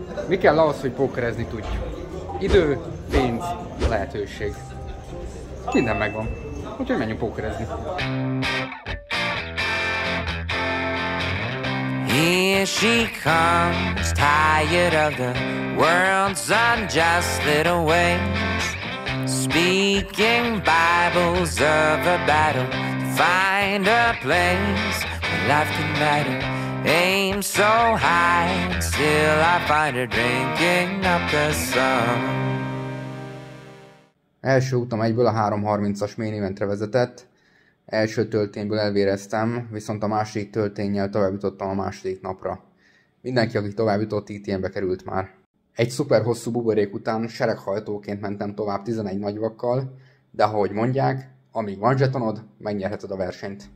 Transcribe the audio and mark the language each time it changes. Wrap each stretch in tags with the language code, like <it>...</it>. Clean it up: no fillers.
<hu>Mi kell ahhoz, hogy pókerezni tudj? Idő, pénz, lehetőség. Minden megvan. Úgyhogy menjünk pókerezni.</hu> <en>Here she comes, tired of the world's unjust little ways. Speaking Bibles of a battle, find a place where life can matter. Aim so high, still I find her drinking up the sun.</en> <hu>Első utam egyből a 3.30-as main eventre vezetett. Első töltényből elvéreztem, viszont a második töltényjel tovább jutottam a második napra. Mindenki, aki tovább jutott, ETN-be került már. Egy szuper hosszú buborék után sereghajtóként mentem tovább 11 nagyvakkal, de ahogy mondják, amíg van zsetonod, megnyerheted a versenyt.</hu>